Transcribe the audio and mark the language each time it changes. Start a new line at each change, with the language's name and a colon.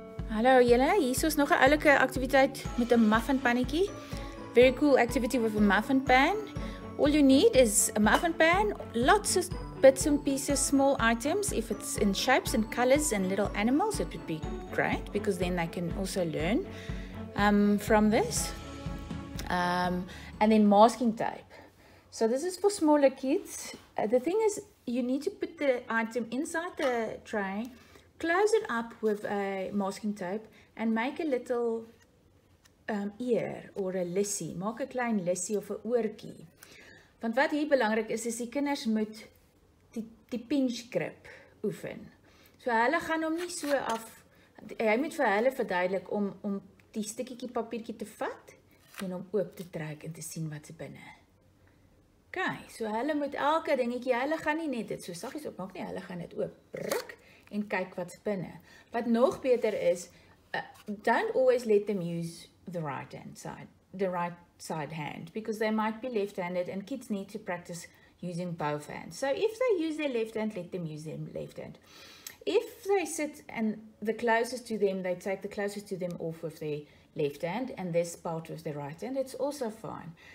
Afrikaans: Hallo julle, hier is nog 'n oulike aktiwiteit met 'n muffin pannetjie.
English: Very cool activity with a muffin pan. All you need is a muffin pan, lots of bits and pieces, small items. If it's in shapes and colors and little animals, it would be great because then they can also learn from this. And then masking tape. So this is for smaller kids. The thing is, you need to put the item inside the tray, close it up with a masking tape and make a little ear or a lissie.
Afrikaans: Maak 'n klein lissie of 'n oortjie. Want wat hier belangrik is, is die kinders moet die pinch grip oefen. So hulle gaan hom nie so af, jy moet vir hulle verduidelik om die stukkie papiertjie te vat en om oop te trek en te sien wat se binne. Okay, so hulle moet elke dingetjie, hulle gaan nie net dit so saggies opmaak nie, hulle gaan dit oop ruk en kyk wat se binne. Wat nog beter is,
English: don't always let them use the right hand side, the right side hand, because they might be left-handed and kids need to practice using both hands. So if they use their left hand, let them use their left hand. If they sit and the closest to them, they take the closest to them off with their left hand and this part with their right hand, it's also fine.